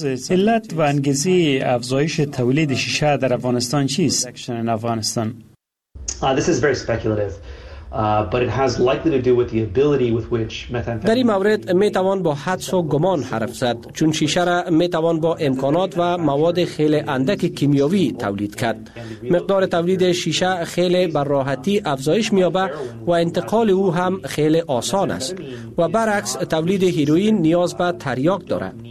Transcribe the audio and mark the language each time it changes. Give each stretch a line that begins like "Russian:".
Persian: علت و انگیزه افزایش تولید شیشه در افغانستان چیست؟
English: This is very speculative. But it has likely to do with the ability with which methamphetamine.
Persian: در این مورد می توان با حدس و گمان حرف زد، چون شیشه را می توان با امکانات و مواد خیلی اندک کیمیاوی تولید کرد. مقدار تولید شیشه خیلی بر راحتی افزایش می یابد و انتقال او هم خیلی آسان است، و برعکس تولید هیروئین نیاز به تریاک دارد.